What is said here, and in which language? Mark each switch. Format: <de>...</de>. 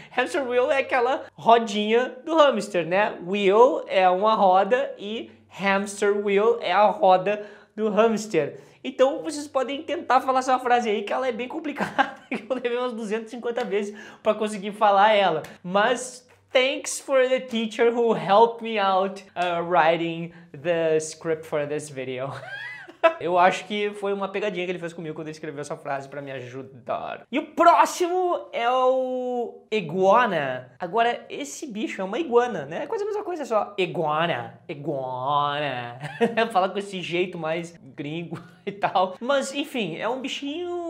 <pt>Hamster wheel é aquela rodinha do hamster, né? Wheel é uma roda e hamster wheel é a roda do hamster. Então vocês podem tentar falar essa frase aí, que ela é bem complicada. Eu levei umas 250 vezes para conseguir falar ela.</pt> <en>Mas thanks for the teacher who helped me out writing the script for this video.</en> <pt>Eu acho que foi uma pegadinha que ele fez comigo quando ele escreveu essa frase pra me ajudar. E o próximo é o iguana. Agora, esse bicho é uma iguana, né? É quase a mesma coisa, só iguana, iguana. Fala com esse jeito mais gringo e tal. Mas, enfim, é um bichinho</pt>